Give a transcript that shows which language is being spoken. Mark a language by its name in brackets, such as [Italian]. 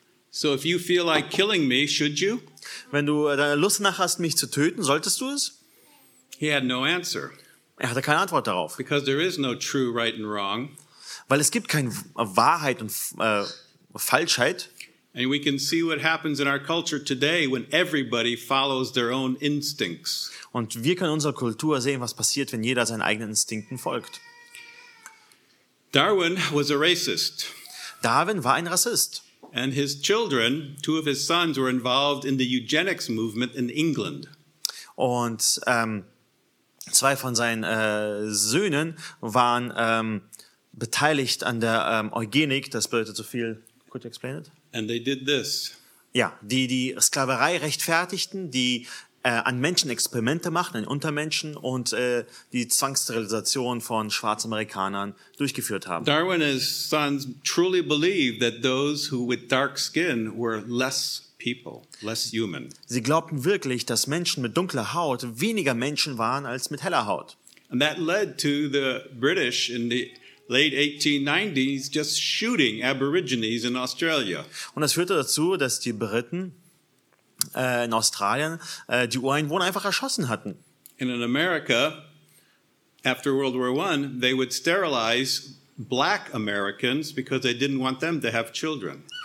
[English] So if you feel like killing me, should you? [German] Wenn du Lust nach hast, mich zu töten, solltest du es? [English] He had no answer. [German] Er hatte keine Antwort darauf. [English] Because there is no true right and wrong. [German] Weil es gibt keine Wahrheit und Falschheit. [English] And we can see what happens in our culture today when everybody follows their own instincts. [German] Und wir können in unserer Kultur sehen, was passiert, wenn jeder seinen eigenen Instinkten folgt. [English] Darwin was a racist. [German] Darwin war ein Rassist. [English] And his children, two of his sons, were involved in the eugenics movement in England. [German] Und zwei von seinen Söhnen waren beteiligt an der Eugenik. Das bedeutet so viel. [English] Could you explain it? And they did this. [German] Ja, die Sklaverei rechtfertigten, die an Menschen Experimente machten, an Untermenschen und die Zwangssterilisation von Schwarzamerikanern durchgeführt haben. [English] Darwin and his sons truly believed that those who with dark skin were less people, less human. [German] Sie glaubten wirklich, dass Menschen mit dunkler Haut weniger Menschen waren als mit heller Haut. [English] And that led to the British in the late 1890s just shooting Aborigines in Australia. [German] Und das führte dazu, dass die Briten in Australien die Ureinwohner einfach erschossen hatten. [English] And in America after World War I, they would sterilize black Americans because they didn't want them to have children.